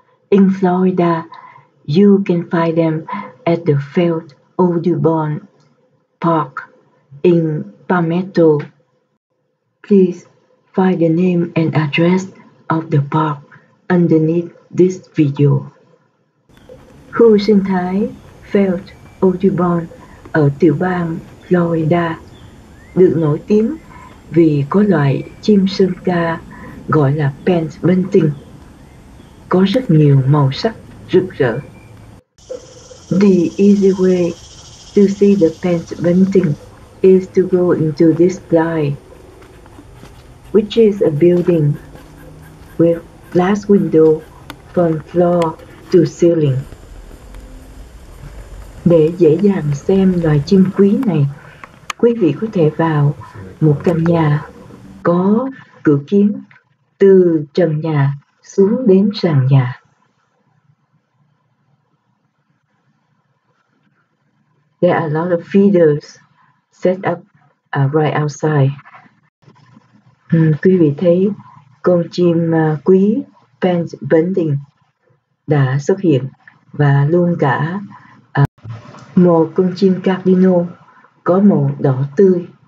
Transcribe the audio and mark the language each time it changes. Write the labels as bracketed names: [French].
[English] In Florida, you can find them at the Field Audubon Park in Palmetto. Please find the name and address of the park underneath this video. [Vietnamese] Khu sinh thái Field Audubon ở tiểu bang Florida được nổi tiếng vì có loại chim sơn ca gọi là Pent Bunting, có rất nhiều màu sắc rực rỡ. [English] The easy way to see the Pent Bunting is to go into this blind, which is a building with glass window from floor to ceiling. [Vietnamese] Để dễ dàng xem loài chim quý này, quý vị có thể vào một căn nhà có cửa kính từ trần nhà xuống đến sàn nhà. [English] There are a lot of feeders set up right outside. [Vietnamese] Quý vị thấy con chim quý Pent Bunting đã xuất hiện, và luôn cả một con chim cardinal có màu đỏ tươi.